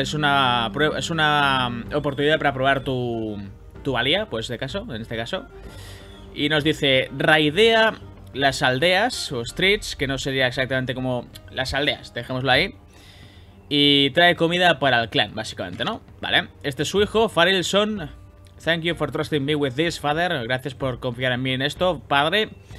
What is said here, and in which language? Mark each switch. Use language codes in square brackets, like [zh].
[es] Es una oportunidad para probar tu valía, pues de caso, en este caso. Y nos dice, raidea las aldeas, o streets, que no sería exactamente como las aldeas, dejémoslo ahí. Y trae comida para el clan, básicamente, ¿no? Vale, este es su hijo, Farilson. [en] Thank you for trusting me with this, father. [es] Gracias por confiar en mí en esto, padre.